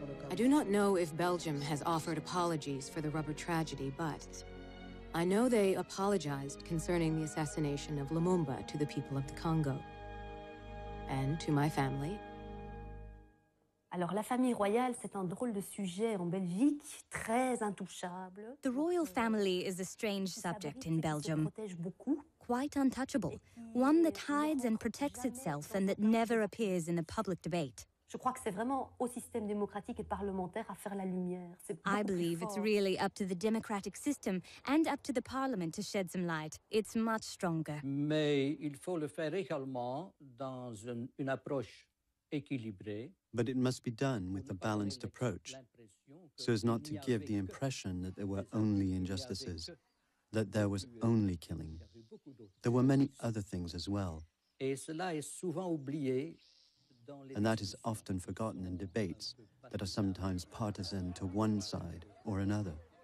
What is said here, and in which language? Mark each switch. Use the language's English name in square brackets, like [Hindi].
[English] I do not know if Belgium has offered apologies for the rubber tragedy, but I know they apologized concerning the assassination of Lumumba to the people of the Congo and to my family. [French] Alors, la famille royale, c'est un drôle de sujet en Belgique, très intouchable. [English] The royal family is a strange subject in Belgium, quite untouchable, one that hides and protects itself and that never appears in the public debate. [French] Je crois que c'est vraiment au système démocratique et parlementaire à faire la lumière. C'est [English] I believe it's really up to the democratic system and up to the parliament to shed some light. It's much stronger. [French] Mais il faut le faire également dans une approche équilibrée. [English] But it must be done with a balanced approach, so as not to give the impression that there were only injustices, that there was only killing. There were many other things as well. [French] Et cela est souvent oublié. [English] And that is often forgotten in debates that are sometimes partisan to one side or another.